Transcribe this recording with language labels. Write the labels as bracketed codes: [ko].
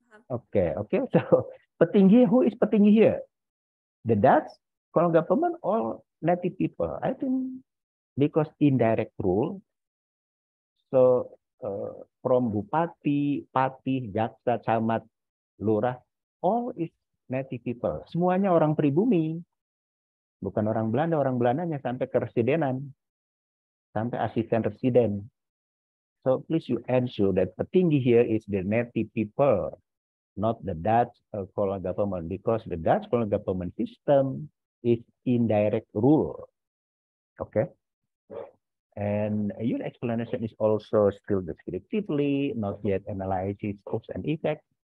[en] Okay, okay. So, petinggi, who is petinggi here? The Dutch, colonial government, all native people. I think because indirect rule, so from bupati, patih, jaksa, camat, lurah, all is native people. [id] Semuanya orang pribumi. Bukan orang Belanda, orang Belandanya sampai ke residenan. Sampai asisten residen. [en] So please you ensure that petinggi here is the native people, not the Dutch colonial government. Because the Dutch colonial government system is indirect rule. Okay? And your explanation is also still descriptively, not yet analysis, cause and effect.